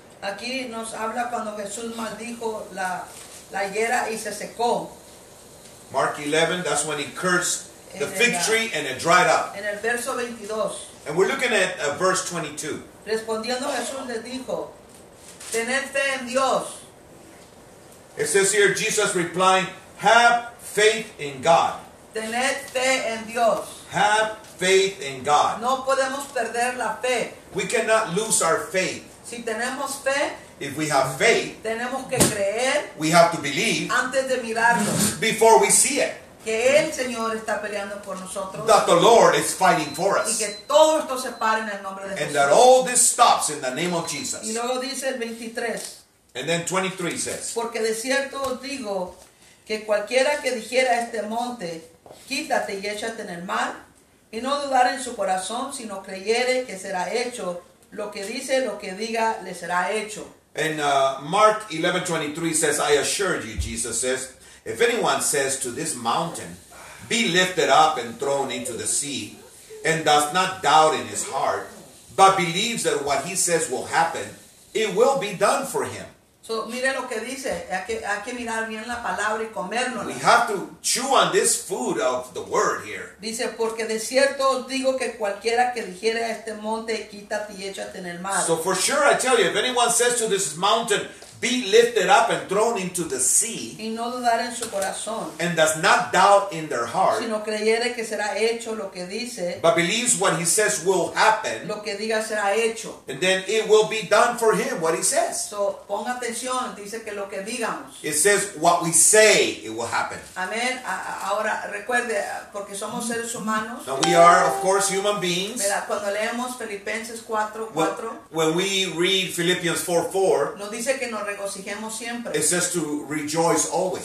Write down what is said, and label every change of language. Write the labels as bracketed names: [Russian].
[Spanish] Aquí nos habla cuando Jesús maldijo la higuera y se secó. [English] Mark 11, that's when he cursed the fig tree and it dried up. [Spanish] En el verso 22. [English] And we're looking at verse 22. [Spanish] Respondiendo Jesús les dijo, tened fe en Dios. [English] It says here, Jesus replying, have faith in God. [Spanish] Tened fe en Dios. [English] Have faith in God. [Spanish] No podemos perder la fe. [English] We cannot lose our faith. [Spanish] Si tenemos fe, [English] if we have faith, [Spanish] tenemos que creer, [English] we have to believe, [Spanish] antes de mirarlo, [English] before we see it, [Spanish] que el Señor está peleando por nosotros, [English] that the Lord is fighting for us, [Spanish] y que todo esto se pare en el nombre de Jesús, [English] and that all this stops in the name of Jesus. [Spanish] Y luego dice el 23. [English] And then 23 says, [Spanish] porque de cierto os digo que cualquiera que dijera este monte, quítate y échate en el mar, y no dudar en su corazón, sino creyere que será hecho lo que dice, lo que diga, le será hecho. [English] And Mark 11:23 says, I assure you, Jesus says, if anyone says to this mountain, be lifted up and thrown into the sea, and does not doubt in his heart, but believes that what he says will happen, it will be done for him. [Spanish] So, mire lo que dice, hay que mirar bien la palabra y comérnosla. [English] We have to chew on this food of the word here. [Spanish] Dice, porque de cierto os digo que cualquiera que dijere a este monte, quítate y échate en el mar. [English] So for sure I tell you, if anyone says to this mountain, be lifted up and thrown into the sea, [Spanish] y no dudar en su corazón, [English] and does not doubt in their heart, [Spanish] sino creyere que será hecho lo que dice, [English] but believes what he says will happen, [Spanish] lo que diga será hecho, [English] and then it will be done for him what he says. [Spanish] So pon atención, dice que lo que digamos, [English] it says what we say, it will happen. [Spanish] Amen. Ahora recuerde, porque somos seres humanos, [English] now we are of course human beings, [Spanish] ¿verdad? Cuando leemos Filipenses 4:4, [English] when we read Philippians 4:4, [Spanish] nos dice que nos regocijemos siempre. [English] It says to rejoice always.